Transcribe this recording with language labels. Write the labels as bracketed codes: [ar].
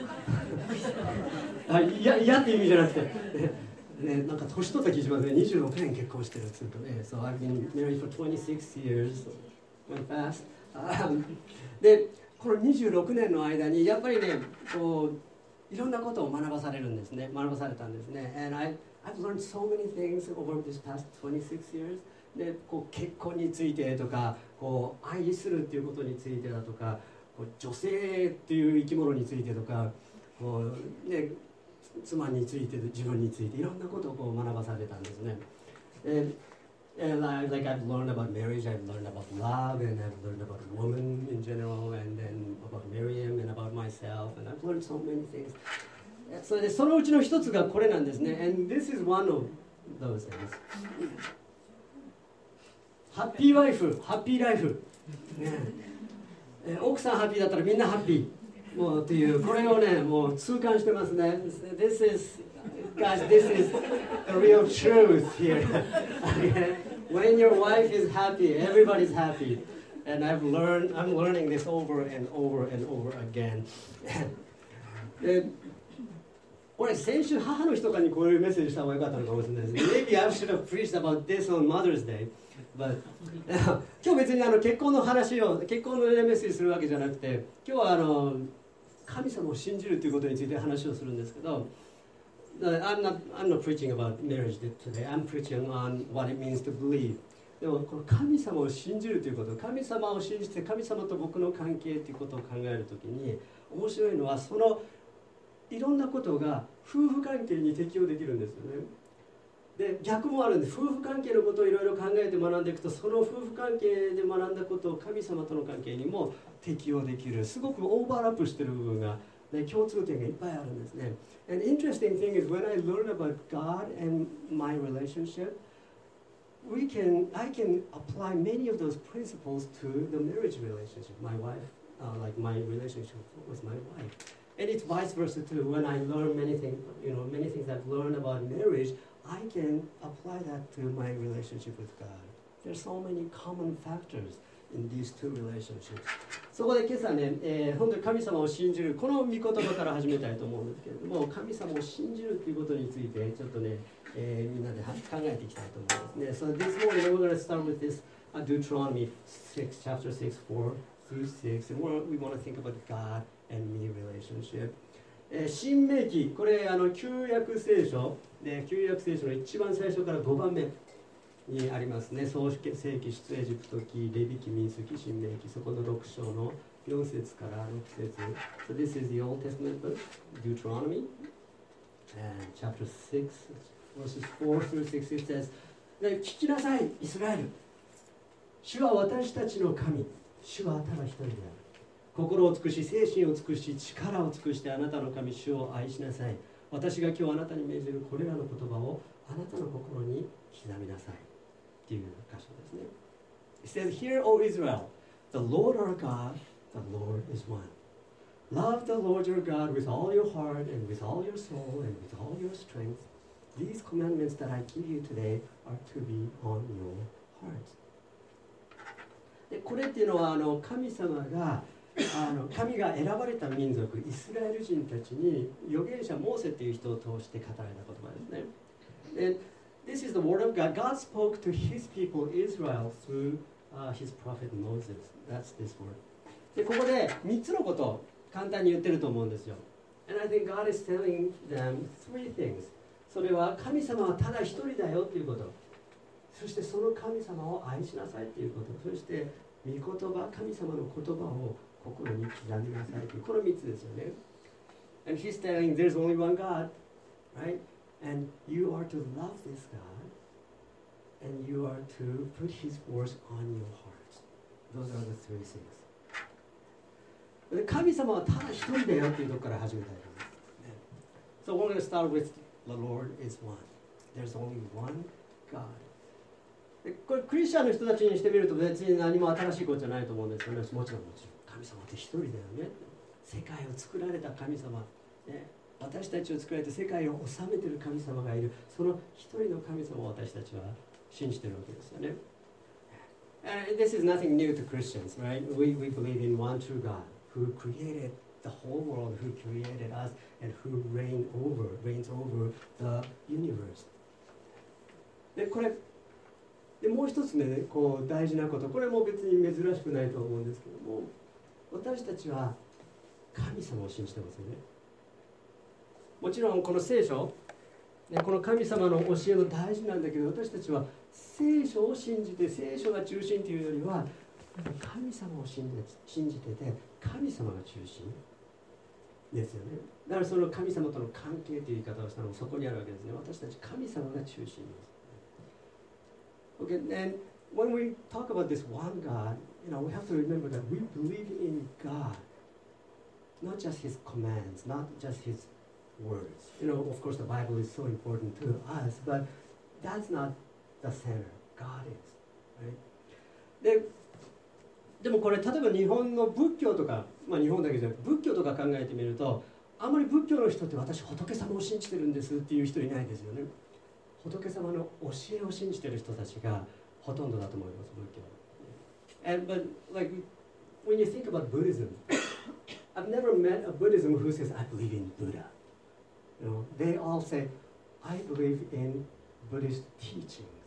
[ja] いやっていう意味じゃなくて、ね、なんか年取った気しますね。 26年結婚してるって言うとね。 [en] So I've been married for 26 years. Went fast. [ja] でこの26年の間にやっぱりね、こういろんなことを学ばされるんですね、学ばされたんですね。 [en] And I've learned so many things over this past 26 years。 [ja] で、こう結婚についてとか、こう愛するっていうことについてだとか、こう女性っていう生き物についてとか、こう、ね、妻について、自分についていろんなことをこう学ばされたんですね。 [en] And like I've learned about marriage, I've learned about love, and I've learned about women in general, and then about Miriam and about myself, and I've learned so many things. [ja] So, そのうちの一つがこれなんですね。 [en] And this is one of those things. Happy wife, happy life. Yeah. [ja] 奥さんハッピーだったらみんなハッピーもうっていう、これをね、もう痛感してますね。 [en] This is... Guys, this is the real truth here. When your wife is happy, everybody's happy. And I'm learning this over and over and over again. [ja] で、俺、先週母の日とかにこういうメッセージした方がよかったのかもしれないです。 [en] Maybe I should have preached about this on Mother's Day. [ja] But 今日別にあの結婚の話を、結婚のメッセージするわけじゃなくて、今日はあの神様を信じるということについて話をするんですけど、 [en] I'm not preaching about marriage today. I'm preaching on what it means to believe. [ja] でもこの神様を信じるということ、神様を信じて神様と僕の関係ということを考えるときに、面白いのはそのいろんなことが夫婦関係に適用できるんですよね。で、逆もあるんで、夫婦関係のことをいろいろ考えて学んでいくと、その夫婦関係で学んだことを神様との関係にも適用できる。すごくオーバーラップしている部分が、で、共通点がいっぱいあるんですね。 [en] An interesting thing is when I learn about God and my relationship, I can apply many of those principles to the marriage relationship, my wife, like my relationship with my wife. And it's vice versa too. When I learn many things I've learned about marriage, I can apply that to my relationship with God. There's so many common factors. In these two relationships. [ja] そこで今朝ね、本当に神様を信じる、この御言葉から始めたいと思うんですけれども、神様を信じるということについてちょっとね、みんなで考えていきたいと思いますね。 [en] So this morning we're going to start with this Deuteronomy 6, chapter 6, 4 through 6, and we want to think about God and me relationship. [ja] 新命記、これあの旧約聖書、ね、旧約聖書の一番最初から5番目にありますね。創世記、出エジプト記、レビ記、民数記、申命記、そこの6章の4節から6節。 [en] So this is the Old Testament book, Deuteronomy, and chapter 6, verses 4 through 6, it says, [ja] 聞きなさい、イスラエル。主は私たちの神。主はただ一人である。心を尽くし、精神を尽くし、力を尽くしてあなたの神、主を愛しなさい。私が今日あなたに命じるこれらの言葉をあなたの心に刻みなさい。 [en] It says, Hear, O Israel, the Lord our God, the Lord is one. Love the Lord your God with all your heart and with all your soul and with all your strength. These commandments that I give you today are to be on your heart. [ja] で、これっていうのはあの神様が、あの神が選ばれた民族、イスラエル人たちに預言者モーセっていう人を通して語られた言葉ですね。 [en] で、This is the word of God. God spoke to his people Israel through his prophet Moses. That's this word. [ja] で、ここで3つのことを簡単に言ってると思うんですよ。 [en] And I think God is telling them three things. [ja] それは神様はただ一人だよということ。そしてその神様を愛しなさいということ。そして御言葉、神様の言葉を心に刻みなさいという。この3つですよね。 [en] And he's telling there's only one God, right? And you are to love this God, and you are to put His words on your heart. Those are the three things. [ja] 神様はただ一人だよというところから始めたいと思います。 [en] So we're going to start with the Lord is one. There's only one God. [ja] これクリスチャンの人たちにしてみると別に何も新しいことじゃないと思うんですよね。もちろんもちろん。神様って一人だよね。世界を作られた神様、ね、私たちを作られて世界を治めている神様がいる。その一人の神様を私たちは信じているわけですよね。 [en] This is nothing new to Christians, right? We believe in one true God. Who created the whole world, who created us, and who reigns over the universe. [ja] で、これ、で、もう一つね、こう大事なこと、これも別に珍しくないと思うんですけども、私たちは神様を信じてますよね。もちろんこの聖書、ね、この神様の教えも大事なんだけど、私たちは聖書を信じて、聖書が中心というよりは、神様を信じてて、神様が中心ですよね。だからその神様との関係という言い方をしたのもそこにあるわけですね。私たち神様が中心です。 [en] Okay, and when we talk about this one God, you know, we have to remember that we believe in God, not just His commands, not just His words. You know, of course, the Bible is so important to us, but that's not the center. God is, right? [ja] でもこれ例えば日本の仏教とか、まあ、日本だけじゃなくて仏教とか考えてみると、あまり仏教の人って私仏様を信じてるんですっていう人いないですよね。仏様の教えを信じてる人たちがほとんどだと思います、仏教。 [en] And, but like when you think about Buddhism, I've never met a Buddhism who says I believe in Buddha. You know, they all say I believe in Buddhist teachings.